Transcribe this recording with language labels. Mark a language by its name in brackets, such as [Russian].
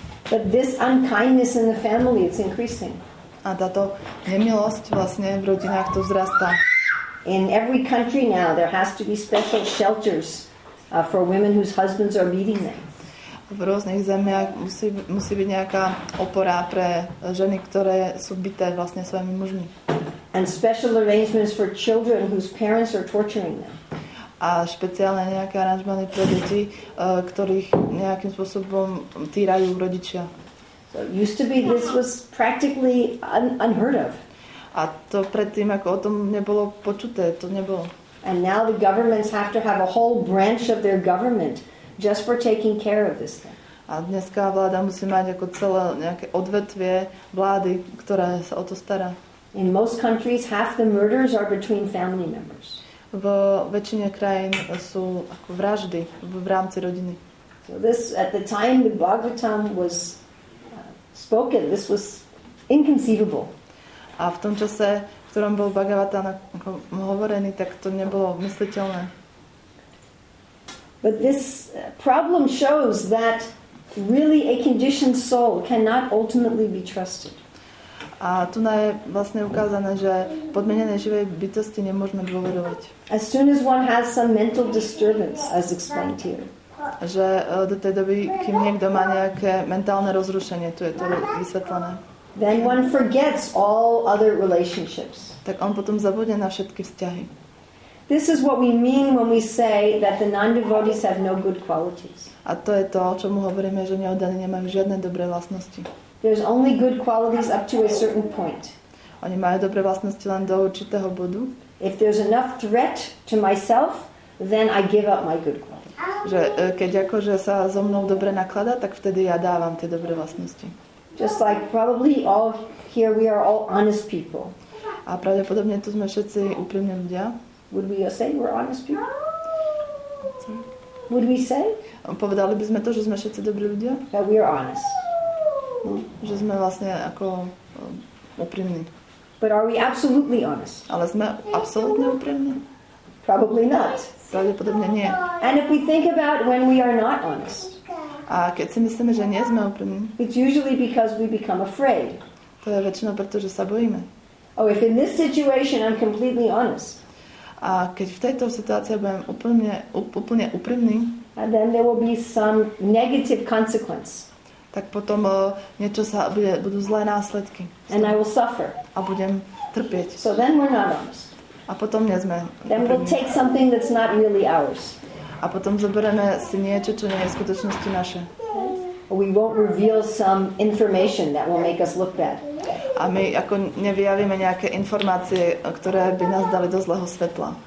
[English] But this unkindness in the family, it's increasing. [Slovak] A táto nemilosť vlastne v rodinách to vzrastá. [English] In every country now, there has to be special shelters for women whose husbands are beating them. [Slovak] V rôznych zemiach musí byť nejaká opora pre ženy, ktoré sú bité vlastne svojimi mužmi. [English] And special arrangements for children whose parents are torturing them. [Slovak] A špeciálne nejaké aranžmány pre deti, ktorých nejakým spôsobom týrajú rodičia. [English] So used to be this was practically unheard of. [Slovak] A to predtým ako o tom nebolo počuté, to nebolo. [English] And now the governments have to have a whole branch of their government just for taking care of this thing. [Slovak] A dneska vláda musí mať ako celé nejaké odvetvie vlády, ktorá sa o to stará. [English] In most countries half the murders are between family members. [Slovak] V väčšine krajín sú ako vraždy v rámci rodiny. [English] So this, at the time the Bhagavatam was spoken, this was inconceivable. [Slovak] A v tom čase, v ktorom bol Bhagavatam hovorený, tak to nebolo mysliteľné. [English] But this problem shows that really a conditioned soul cannot ultimately be trusted. [Slovak] A tu na je vlastne ukázané, že podmenené živej bytosti nemôžeme dôverovať. [English] As soon as one has some mental disturbance, as explained here. [Slovak] Že do tej doby, kým niekto má nejaké mentálne rozrušenie, tu je to vysvetlené. [English] Then one forgets all other relationships. [Slovak] Tak on potom zabude na všetky vzťahy. [English] This is what we mean when we say that the non-devotees have no good qualities. [Slovak] A to je to, o čom hovoríme, že neoddaní nemajú žiadne dobré vlastnosti. [English] There's only good qualities up to a certain point. [Slovak] Oni majú dobré vlastnosti len do určitého bodu. [English] If there's enough threat to myself, then I give up my good qualities. [Slovak] Že keď akože sa so mnou dobre naklada, tak vtedy ja dávam tie dobré vlastnosti. [English] Just like probably all here we are all honest people. [Slovak] A pravdepodobne tu sme všetci úprimní ľudia. [English] Would we say we're honest people? Would we say? [Slovak] Povedali by sme to, že sme všetci dobrí ľudia? [English] That we are honest. [Slovak] No, že sme vlastne ako úprimní. [English] But are we absolutely honest? [Slovak] Ale sme absolútne úprimní? [English] Probably not. [Slovak] Pravdepodobne nie. [English] And if we think about when we are not honest. [Slovak] A keď si myslíme, že nie sme úprimní. [English] It's usually because we become afraid. [Slovak] To je väčšinou preto, že sa bojíme. [English] Oh, if in this situation I'm completely honest. [Slovak] A keď v tejto situácii budem úplne úplne úprimný. [English] And then there will be some negative consequence. [Slovak] Tak potom niečo sa budú zlé následky. [English] And I will suffer. [Slovak] A budem trpieť. [English] So then we're not honest. [Slovak] A potom nie sme. [English] Then we'll take something that's not really ours. [Slovak] A potom zoberieme si niečo, čo nie je v skutočnosti naše. [English] We won't reveal some information that will make us look bad. [Slovak] A my ako nevyjavíme nejaké informácie, ktoré by nás dali do zlého svetla.